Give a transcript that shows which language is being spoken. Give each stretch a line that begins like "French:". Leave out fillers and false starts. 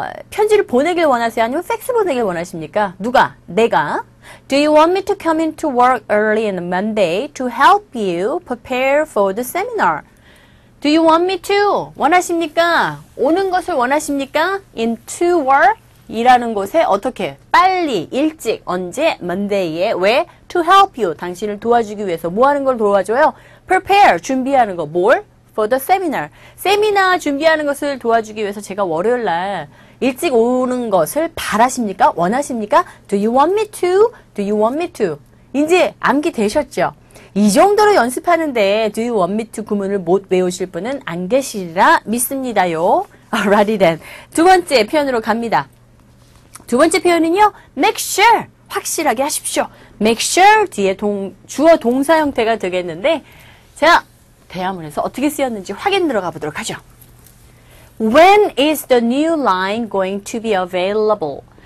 Korean: 편지를 보내길 원하세요? 아니면 팩스 보내길 원하십니까? 누가? 내가?
English: Do you want me to come into work early on Monday to help you prepare for the seminar? Do you want me to?
Korean: 원하십니까? 오는 것을 원하십니까?
English: Into work?
Korean: 일하는 곳에 어떻게? 빨리, 일찍, 언제?
English: Monday에
Korean: 왜?
English: To help you.
Korean: 당신을 도와주기 위해서 뭐 하는 걸 도와줘요?
English: Prepare.
Korean: 준비하는 거. 뭘?
English: For the seminar.
Korean: 세미나 준비하는 것을 도와주기 위해서 제가 월요일날 일찍 오는 것을 바라십니까? 원하십니까?
English: Do you want me to? Do you want me to?
Korean: 이제 암기 되셨죠? 이 정도로 연습하는데
English: Do you want me to
Korean: 구문을 못 외우실 분은 안 계시리라 믿습니다요.
English: Alrighty then.
Korean: 두 번째 표현으로 갑니다. 두 번째 표현은요. Make sure. 확실하게 하십시오. Make sure 뒤에 주어 동사 형태가 되겠는데 자, 대화문에서 어떻게 쓰였는지 확인 들어가 보도록 하죠.
English: When is the new line going to be available?